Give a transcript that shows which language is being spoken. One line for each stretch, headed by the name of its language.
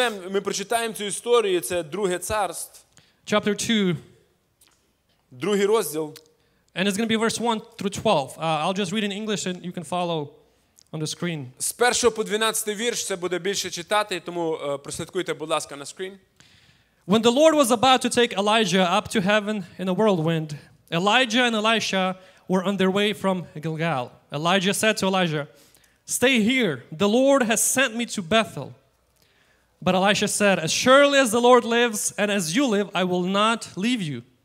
Ukrainian: Ми прочитаємо цю історію, це Друге царство.
English: Chapter 2.
Ukrainian: Другий розділ.
English: And it's going to be verse 1 through 12. I'll just read in English and you can follow on the screen.
Ukrainian: З 1 по 12 вірш це буде більше читати, тому прослідкуйте, будь ласка, на screen.
English: When the Lord was about to take Elijah up to heaven in a whirlwind, Elijah and Elisha were on their way from Gilgal. Elijah said to Elijah, "Stay here. The Lord has sent me to Bethel." But Elisha said, "As surely as the Lord lives and as you live, I will not leave you."